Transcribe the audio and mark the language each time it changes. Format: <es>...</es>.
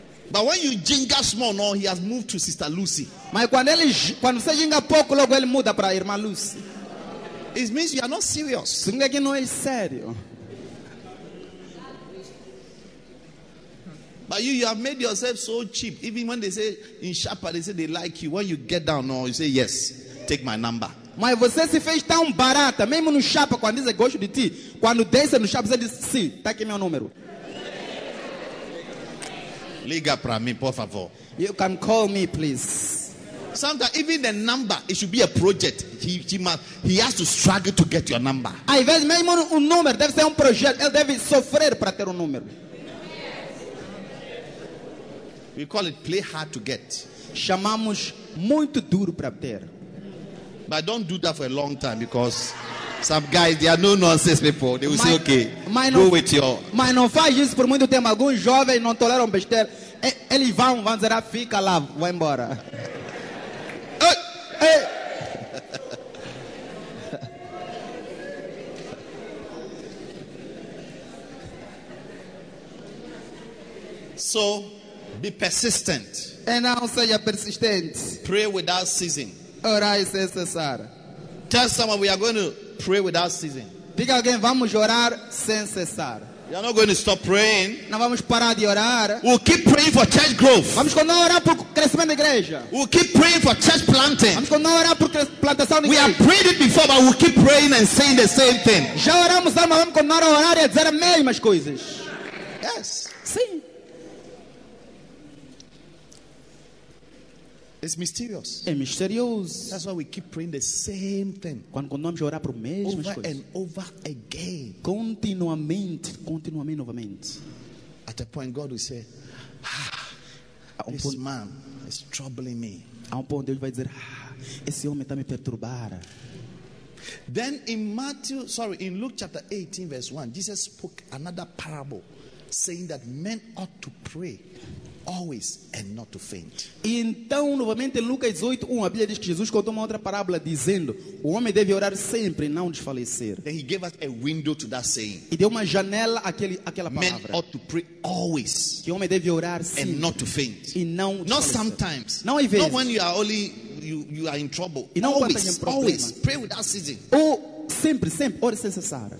<en>But when you jinga small, no, he has moved to Sister Lucy.</en> <pt>Mas quando você jinga pouco, logo ele muda para a irmã Lucy.</pt> <en>It means you are not serious.</en> <pt>Significa que não é sério.</pt> <en>But you have made yourself so cheap. Even when they say in Shapa, they say they like you. When you get down, no, you say yes, take my number.</en> <pt>Mas você se fez tão barata, mesmo no Shapa, quando dizem gosto de ti. Quando desce no Shapa, você diz sim, tá aqui meu número. Liga para mim, por favor.</pt> <en>You can call me, please. Sometimes even the number, it should be a project. He has to struggle to get your number.</en> <pt>Às vezes mesmo um número deve ser projeto. Ele deve sofrer para ter número.</pt> <en>We call it play hard to get.</en> <pt>Chamamos muito duro para ter.</pt> <en>But don't do that for a long time because some guys, they are no nonsense people. They will say, okay, go with your.</en> <pt>Mas não faz isso por muito tempo. Alguns jovens não toleram besteira. Eles vão dizer, fica lá, vai embora.</pt> <en>So, be persistent. And now say you're persistent. Pray without ceasing.</en> <pt>Orai sem cessar.</pt> <en>Tell someone we are going to pray without ceasing.</en> <pt>Diga alguém, vamos orar sem cessar.</pt> <en>You are not going to stop praying.</en> <pt>Não vamos parar de orar.</pt> <en>We'll keep praying for church growth.</en> <pt>Vamos continuar a orar por crescimento da igreja.</pt> <en>We'll keep praying for church planting.</en> <pt>Vamos continuar a orar por plantação da igreja.</pt> <en>We have prayed it before, but we'll keep praying and saying the same thing.</en> <pt>Já oramos, mas vamos continuar a orar e a dizer as mesmas coisas.</pt> <en>Yes.</en> <pt>Sim.</pt> <en>It's mysterious.</en> <pt>É misterioso.</pt> <en>That's why we keep praying the same thing.</en> <pt>Quando continuamos a orar por mesmas</pt> <en>over</en> <pt>coisas.</pt> <en>Over and over again.</en> <pt>Continuamente, novamente.</pt> <en>At a point, God will say, this</en> <pt>ponto,</pt> <en>man is troubling me.</en> <pt>A ponto, Deus vai dizer, esse homem está me perturbar.</pt> <en>Then in Luke chapter 18, verse 1, Jesus spoke another parable, saying that men ought to pray always and not to faint.</en> <pt>Então, novamente, Lucas 8:1, a Bíblia diz que Jesus contou uma outra parábola dizendo: o homem deve orar sempre e não desfalecer.</pt> <en>Then he gave us a window to that saying.</en> <pt>E deu uma janela àquela palavra.</pt> <en>Men ought to pray always.</en> <pt>Que o homem deve orar sempre.</pt> <en>And not to faint.</en> <pt>E não desfalecer.</pt> <en>Not sometimes.</en> <pt>Não às vezes.</pt> <en>Not when you are only you are in trouble.</en> <pt>E não</pt> <en>always, always pray without ceasing.</en> <pt>Sempre, ore sem cessar.</pt>